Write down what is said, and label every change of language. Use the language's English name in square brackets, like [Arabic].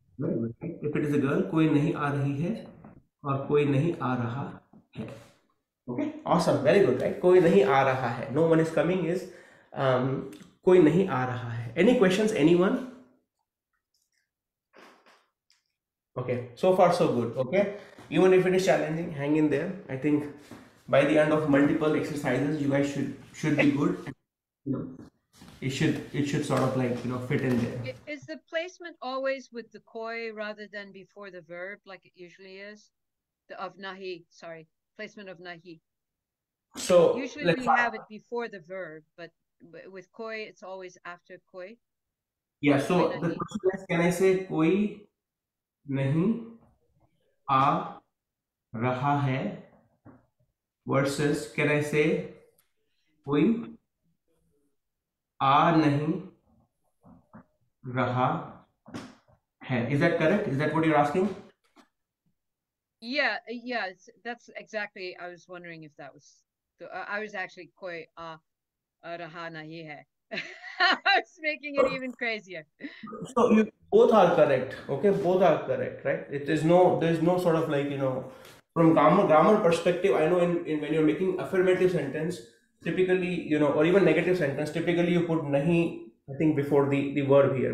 [English] If it is a girl, [Hindi] कोई नहीं आ रही है और कोई नहीं आ रहा है. [English] Okay, awesome, very good, right? [Hindi] कोई नहीं आ रहा है. [English] no one is coming is [Hindi] कोई नहीं आ रहा है. [English] Any questions anyone? Okay, so far so good. Okay, even if it is challenging, hang in there. I think by the end of multiple exercises, you guys should be good. It should sort of like, you know, fit in there. Is the placement always with the koi rather than before the verb, like it usually is? The of nahi, sorry, placement of nahi. So Usually let's we have it before the verb, but with koi, it's always after koi. Yeah, so koi the nahi. question is, can I say [Hindi] कोई नहीं आ रहा है [English] versus can I say [Hindi] कोई आ नहीं रहा है? [English] Is that correct? Is that what you're asking? Yes, that's exactly. I was wondering if that was. I was actually [Hindi] कोई रहा नहीं है. [English] I was making it even crazier. So you both are correct. Okay, both are correct, right? It is no, there's no sort of like, you know, from grammar perspective, I know in when you're making affirmative sentence, typically, you know, or even negative sentence, typically you put nahi, I think, before the verb here.